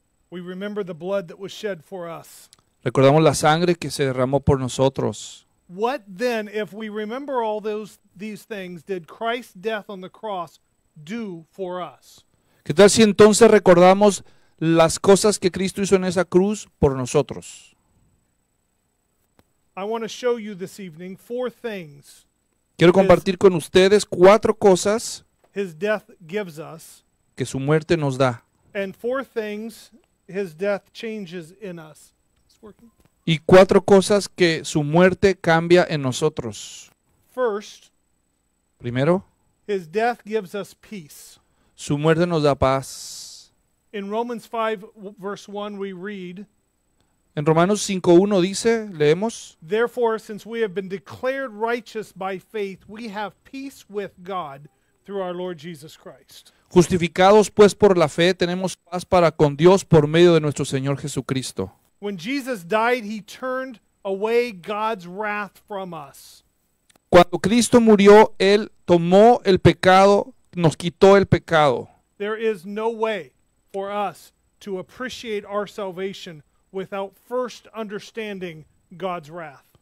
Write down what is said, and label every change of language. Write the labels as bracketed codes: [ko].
[en] We remember the blood that was shed for us. [es] Recordamos la sangre que se derramó por nosotros. [en] What then, if we remember all these things, did Christ's death on the cross do for us? [es] ¿Qué tal si entonces recordamos las cosas que Cristo hizo en esa cruz por nosotros? [en] I want to show you this evening four things. [es] Quiero compartir con ustedes cuatro cosas. [en] his death gives us. [es] Que su muerte nos da. [en] And four things his death changes in us. It's working. [es] Y cuatro cosas que su muerte cambia en nosotros. [en] First. [es] Primero. [en] His death gives us peace. [es] Su muerte nos da paz. [en] In Romans 5, verse 1, we read. [es] En Romanos 5:1 dice, leemos. [en] Therefore, since we have been declared righteous by faith, we have peace with God through our Lord Jesus Christ. [es] Justificados pues por la fe, tenemos paz para con Dios por medio de nuestro Señor Jesucristo. [en] When Jesus died, he turned away God's wrath from us. [es] Cuando Cristo murió, él tomó el pecado, nos quitó el pecado. [en] There is no way for us to appreciate our salvation without first understanding God's wrath.